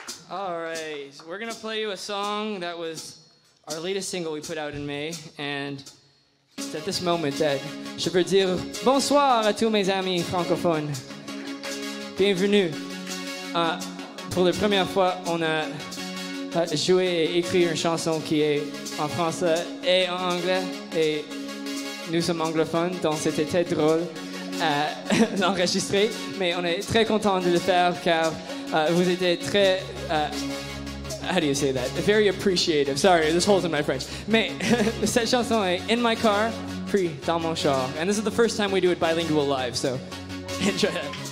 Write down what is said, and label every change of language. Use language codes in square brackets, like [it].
[en] All right, we're going to play you a song that was our latest single we put out in May, and it's at this moment that [fr] je peux dire bonsoir à tous mes amis francophones. Bienvenue. Pour la première fois, on a joué et écrit une chanson qui est en français et en anglais, et nous sommes anglophones, donc c'était très drôle à l'enregistrer, mais on est très content de le faire car vous étiez très... [en] how do you say that? Very appreciative. Sorry, this holds in my French. [fr] Mais cette chanson est In My Car, puis dans mon char. [en] And this is the first time we do it bilingual live, so enjoy that.